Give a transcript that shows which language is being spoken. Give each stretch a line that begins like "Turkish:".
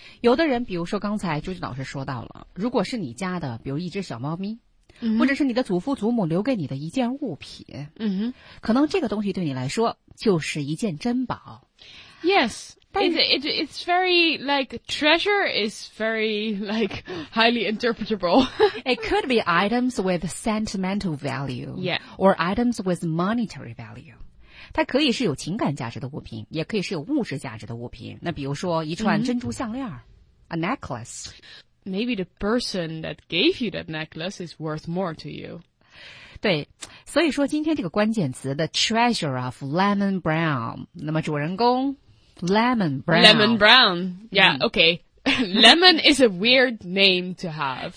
Chinese: 有的人，比如说刚才朱俊老师说到了，如果是你家的，比如一只小猫咪， mm-hmm. 或者是你的祖父祖母留给你的一件物品，嗯哼，可能这个东西对你来说就是一件珍宝。
English: Yes. It's very, like, treasure is very, like, highly interpretable. It could be items with sentimental value. Yeah. Or items with monetary value.
Chinese: 它可以是有情感价值的物品，也可以是有物质价值的物品。那比如说一串珍珠项链、mm-hmm.
English: a necklace. Maybe the person that gave you that necklace is worth more to you.
Chinese: 对，所以说今天这个关键词 The Treasure of Lemon Brown, 那么主人公Lemon Brown.
English: Lemon Brown. Yeah, okay. Lemon is a weird name to have.